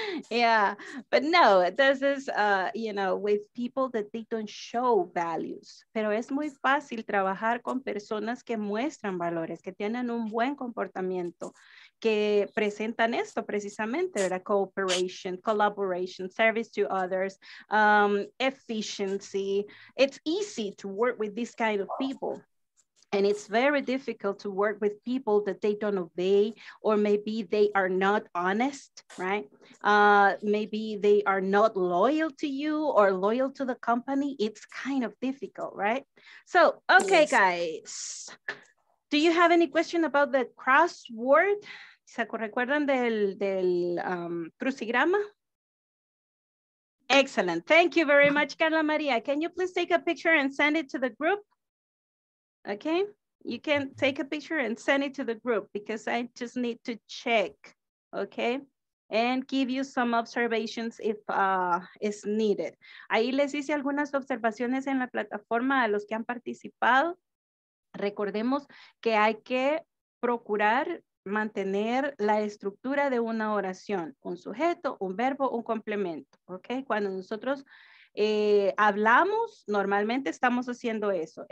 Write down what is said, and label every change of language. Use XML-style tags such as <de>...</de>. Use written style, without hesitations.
<en>Yeah, but no, this is, you know, with people that they don't show values.</en> <es>Pero es muy fácil trabajar con personas que muestran valores, que tienen un buen comportamiento, que presentan esto precisamente, ¿verdad?</es> <en>Cooperation, collaboration, service to others, efficiency. It's easy to work with this kind of people. And it's very difficult to work with people that they don't obey, or maybe they are not honest, right? Maybe they are not loyal to you or loyal to the company. It's kind of difficult, right? So, okay, yes. Guys, do you have any question about the crossword?</en> <es>¿Se recuerdan del crucigrama?</es> <en>Excellent. Thank you very much, Carla Maria. Can you please take a picture and send it to the group? Okay. You can take a picture and send it to the group because I just need to check, okay? And give you some observations if is needed.</en> <es>Ahí les hice algunas observaciones en la plataforma a los que han participado. Recordemos que hay que procurar mantener la estructura de una oración, un sujeto, un verbo, un complemento, okay? Cuando nosotros hablamos, normalmente estamos haciendo eso.</es>